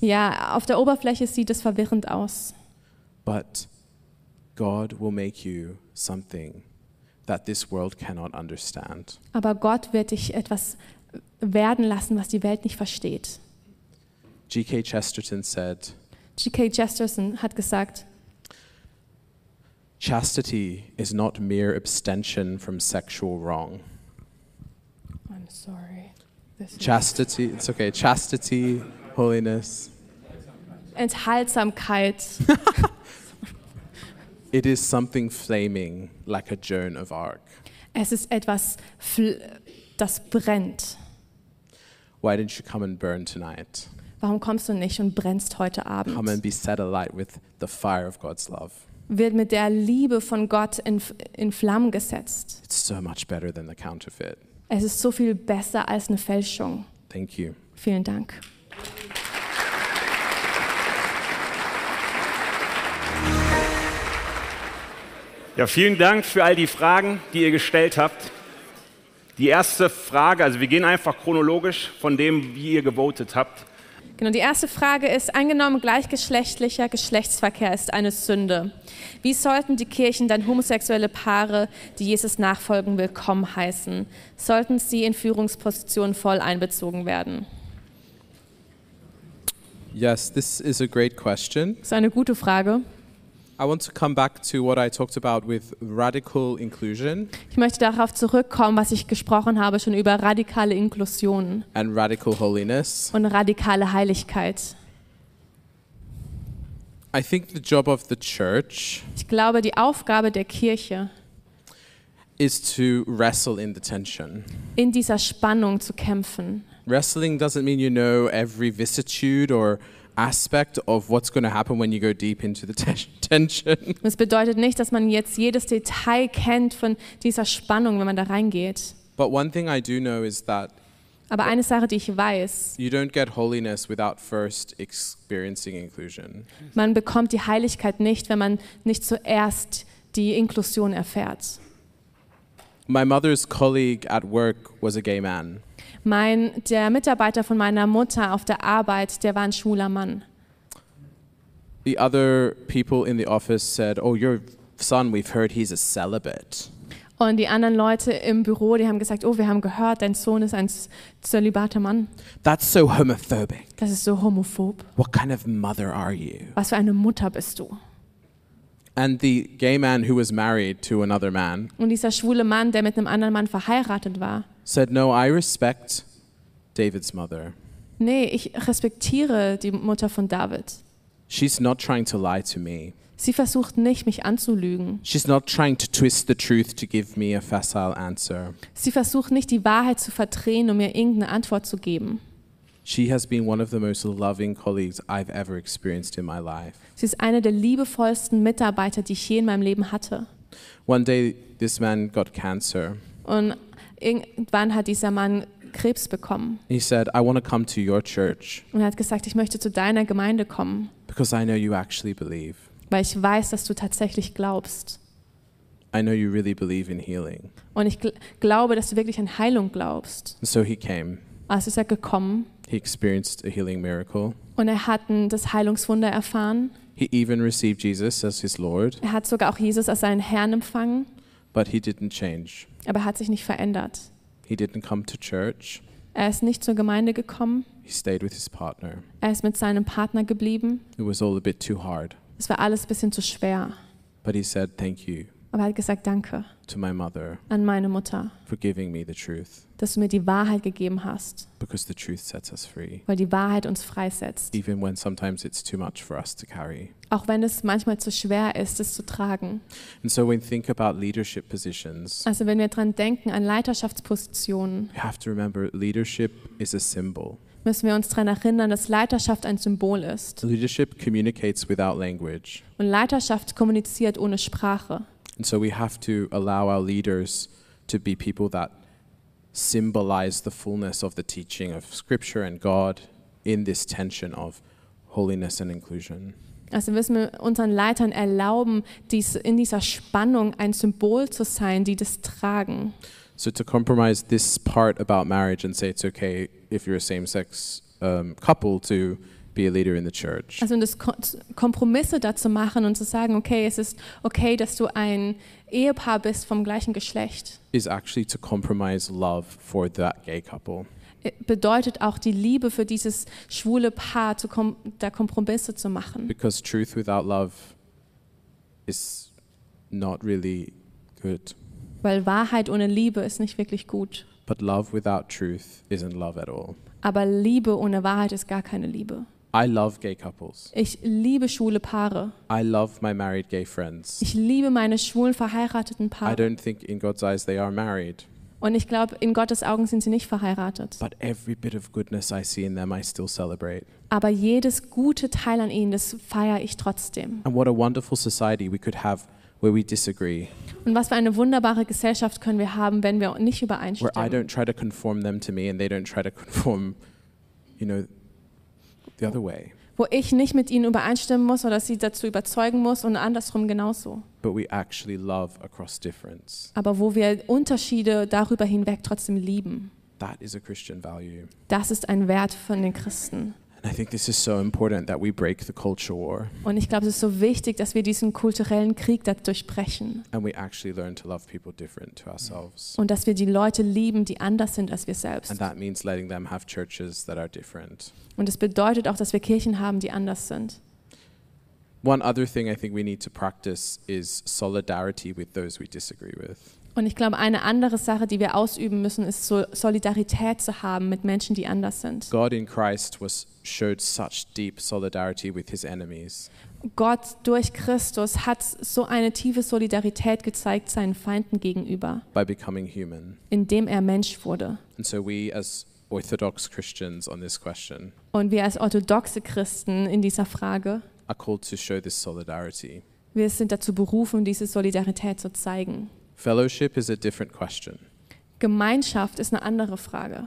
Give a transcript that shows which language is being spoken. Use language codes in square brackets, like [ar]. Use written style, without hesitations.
[de] Ja, auf der Oberfläche sieht es verwirrend aus. [en] But God will make you something that this world cannot understand. [de] Aber Gott wird dich etwas werden lassen, was die Welt nicht versteht. [en] G.K. Chesterton said. [de] G.K. Chesterton hat gesagt, [en] Chastity is not mere abstention from sexual wrong. I'm sorry. Chastity, it's okay. Chastity, holiness. [de] Enthaltsamkeit. [en] It is something flaming like a Joan of Arc. [de] Es ist etwas, das brennt. [en] Why didn't you come and burn tonight? [de] Warum kommst du nicht und brennst heute Abend? [en] Come and be set alight with the fire of God's love. [de] Wird mit der Liebe von Gott in Flammen gesetzt. [en] It's so much better than the counterfeit. [de] Es ist so viel besser als eine Fälschung. [en] Thank you. [de] Vielen Dank. Ja, vielen Dank für all die Fragen, die ihr gestellt habt. Die erste Frage, also wir gehen einfach chronologisch von dem, wie ihr gewotet habt. Genau, die erste Frage ist, angenommen gleichgeschlechtlicher Geschlechtsverkehr ist eine Sünde. Wie sollten die Kirchen dann homosexuelle Paare, die Jesus nachfolgen, willkommen heißen? Sollten sie in Führungspositionen voll einbezogen werden? [en] Yes, this is a great question. [de] Das ist eine gute Frage. [en] I want to come back to what I talked about with radical inclusion. [de] Ich möchte darauf zurückkommen, was ich gesprochen habe schon über radikale Inklusion. [en] And radical holiness. [de] Und radikale Heiligkeit. [en] I think the job of the church. [de] Ich glaube, die Aufgabe der Kirche [en] is to wrestle in the tension. [de] In dieser Spannung zu kämpfen. [en] Wrestling doesn't mean you know every vicissitude or aspect of what's going to happen when you go deep into the tension. [de] Das bedeutet nicht, dass man jetzt jedes Detail kennt von dieser Spannung, wenn man da reingeht. [en] But one thing I do know is that. [de] Aber eine Sache, die ich weiß. [en] You don't get holiness without first experiencing inclusion. [de] Man bekommt die Heiligkeit nicht, wenn man nicht zuerst die Inklusion erfährt. [en] My mother's colleague at work was a gay man. [de] Der Mitarbeiter von meiner Mutter auf der Arbeit, der war ein schwuler Mann. [en] The other people in the office said, oh, your son, we've heard he's a celibate. [de] Und die anderen Leute im Büro, die haben gesagt, oh, wir haben gehört, dein Sohn ist ein zölibater Mann. [en] That's so homophobic. [de] Das ist so homophob. [en] What kind of mother are you? [de] Was für eine Mutter bist du? [en] And the gay man who was married to another man. [de] Und dieser schwule Mann, der mit einem anderen Mann verheiratet war. [en] Said no, I respect David's mother. [de] Nee, ich respektiere die Mutter von David. [en] She's not trying to lie to me. [de] Sie versucht nicht, mich anzulügen. [en] She's not trying to twist the truth to give me a facile answer. [de] Sie versucht nicht, die Wahrheit zu verdrehen, um mir irgendeine Antwort zu geben. [en] She has been one of the most loving colleagues I've ever experienced in my life. [de] Sie ist eine der liebevollsten Mitarbeiter, die ich je in meinem Leben hatte. [en] One day this man got cancer. [de] Und irgendwann hat dieser Mann Krebs bekommen. [en] He said, "I want to come to your church." [de] Und er hat gesagt, ich möchte zu deiner Gemeinde kommen. [en] Because I know you actually believe. [de] Weil ich weiß, dass du tatsächlich glaubst. [en] I know you really believe in healing. [de] Und ich glaube, dass du wirklich an Heilung glaubst. [en] And so he came. [de] Also ist er gekommen. [en] He experienced a healing miracle. [de] Und er hat das Heilungswunder erfahren. [en] He even received Jesus as his Lord. [de] Er hat sogar auch Jesus als seinen Herrn empfangen. [en] But he didn't change. [de] Aber er hat sich nicht verändert. [en] He didn't come to church. [de] Er ist nicht zur Gemeinde gekommen. [en] He stayed with his partner. [de] Er ist mit seinem Partner geblieben. [en] It was all a bit too hard. [de] Es war alles ein bisschen zu schwer. [en] But he said, "Thank you." [de] Aber er hat gesagt, danke. [en] To my mother. [de] An meine Mutter. [en] For giving me the truth. [de] Dass du mir die Wahrheit gegeben hast. [en] Because the truth sets us free. [de] Weil die Wahrheit uns freisetzt. [en] Even when sometimes it's too much for us to carry. [de] Auch wenn es manchmal zu schwer ist, es zu tragen. [en] And so when we think about leadership positions. [de] Also wenn wir dran denken an Leiterschaftspositionen. [en] We have to remember leadership is a symbol. [de] Müssen wir uns daran erinnern, dass Leiterschaft ein Symbol ist. [en] Leadership communicates without language. [de] Und Leiterschaft kommuniziert ohne Sprache. [en] And so we have to allow our leaders to be people that symbolize the fullness of the teaching of Scripture and God in this tension of holiness and inclusion. [de] Also müssen wir unseren Leitern erlauben, dies in dieser Spannung ein Symbol zu sein, die das tragen. [en] So to compromise this part about marriage and say it's okay if you're a same-sex couple to be a leader in the church. [de] Also das Kompromisse dazu machen und zu sagen, okay, es ist okay, dass du ein Ehepaar bist vom gleichen Geschlecht. [en] Is actually to compromise love for that gay couple. [de] Bedeutet auch die Liebe für dieses schwule Paar zu da Kompromisse zu machen. [en] Because truth without love is not really good. [de] Weil Wahrheit ohne Liebe ist nicht wirklich gut. [en] But love without truth isn't love at all. [de] Aber Liebe ohne Wahrheit ist gar keine Liebe. [en] I love gay couples. [de] Ich liebe schwule Paare. [en] I love my married gay friends. [de] Ich liebe meine schwulen verheirateten Paare. [en] I don't think in God's eyes they are married. [de] Und ich glaube, in Gottes Augen sind sie nicht verheiratet. [en] But every bit of goodness I see in them I still celebrate. [de] Aber jedes gute Teil an ihnen, das feiere ich trotzdem. [en] And what a wonderful society we could have where we disagree. [de] Und was für eine wunderbare Gesellschaft können wir haben, wenn wir nicht übereinstimmen? [en] Where I don't try to conform them to me and they don't try to conform, you know, the other way. [de] Wo ich nicht mit ihnen übereinstimmen muss oder sie dazu überzeugen muss und andersrum genauso. [en] But we actually love across difference. [de] Aber wo wir Unterschiede darüber hinweg trotzdem lieben. [en] That is a Christian value. [de] Das ist ein Wert von den Christen. [en] I think this is so important that we break the culture war. [de] Und ich glaube, es ist so wichtig, dass wir diesen kulturellen Krieg dadurch brechen. [en] And we actually learn to love people different to ourselves. [de] Und dass wir die Leute lieben, die anders sind als wir selbst. [en] And that means letting them have churches that are different. [de] Und es bedeutet auch, dass wir Kirchen haben, die anders sind. [en] One other thing I think we need to practice is solidarity with those we disagree with. [de] Und ich glaube, eine andere Sache, die wir ausüben müssen, ist Solidarität zu haben mit Menschen, die anders sind. [en] God in Christ was showed such deep solidarity with his enemies. [de] Gott durch Christus hat so eine tiefe Solidarität gezeigt seinen Feinden gegenüber. [en] By becoming human. [de] Indem er Mensch wurde. [en] And so we as orthodox Christians on this question. [de] Und wir als orthodoxe Christen in dieser Frage. [en] Are called to show this solidarity. [de] Wir sind dazu berufen, diese Solidarität zu zeigen. [en] Fellowship is a different question. [de] Gemeinschaft ist eine andere Frage.